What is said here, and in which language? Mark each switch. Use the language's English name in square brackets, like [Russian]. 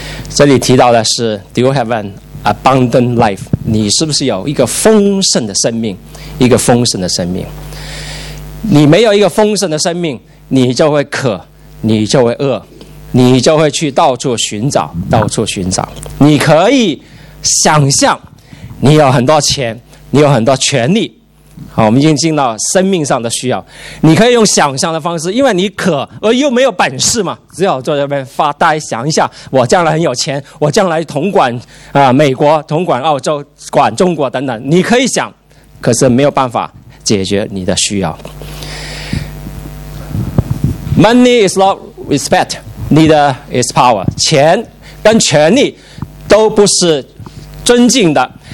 [Chinese] 这里提到的是 [English] Do you have an abundant life？ [Chinese] 你是不是有一个丰盛的生命？一个丰盛的生命，你没有一个丰盛的生命，你就会渴，你就会饿，你就会去到处寻找，到处寻找。你可以想象你有很多钱，你有很多权利，好，我们已经进到生命上的需要，你可以用想象的方式，因为你渴而又没有本事嘛，只好坐在那边发呆，想一下我将来很有钱，我将来统管美国，统管澳洲，管中国等等，你可以想，可是没有办法解决你的需要。 [English] Money is not respect， neither is power， [Chinese] 钱跟权力都不是尊敬的。